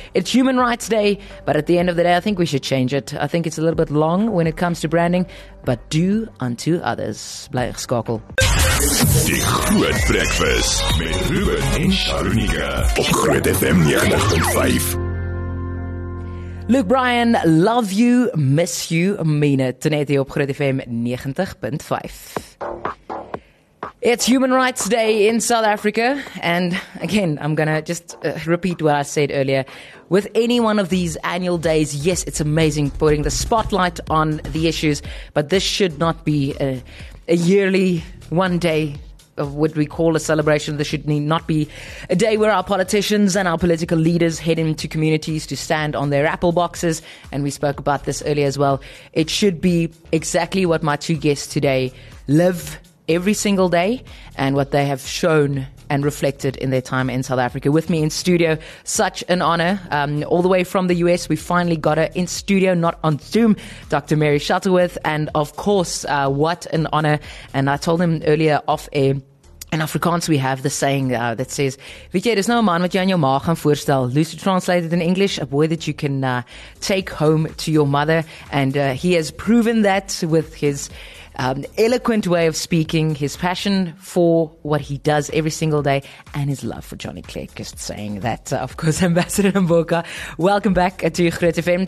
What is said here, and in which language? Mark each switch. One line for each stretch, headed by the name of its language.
English: It's Human Rights Day, but at the end of the day, I think we should change it. I think it's a little bit long when it comes to branding, but do unto others.
Afrikaans: Bly geskakel. Die Groot Breakfast met Ruben en Sharunika op Groot FM 90.5.
English: Luke Bryan, love you, miss you, mean it. Tonight op Groot FM 90.5. It's Human Rights Day in South Africa. And again, I'm going to just repeat what I said earlier. With any one of these annual days, yes, it's amazing putting the spotlight on the issues. But this should not be a yearly one day of what we call a celebration. This should not be a day where our politicians and our political leaders head into communities to stand on their apple boxes. And we spoke about this earlier as well. It should be exactly what my two guests today live every single day and what they have shown and reflected in their time in South Africa. With me in studio, such an honor. All the way from the US, we finally got her in studio, not on Zoom, Dr. Mary Shuttleworth. And of course, what an honor. And I told him earlier off air, In Afrikaans, we have the saying that says,
Afrikaans: weet jy, dis nou 'n man wat jy aan jou ma gaan voorstel.
English: Loosely translated in English, a boy that you can take home to your mother. And he has proven that with his eloquent way of speaking, his passion for what he does every single day, and his love for Johnny Clegg. Just saying that, of course, Ambassador Mboka, welcome back to Groot FM.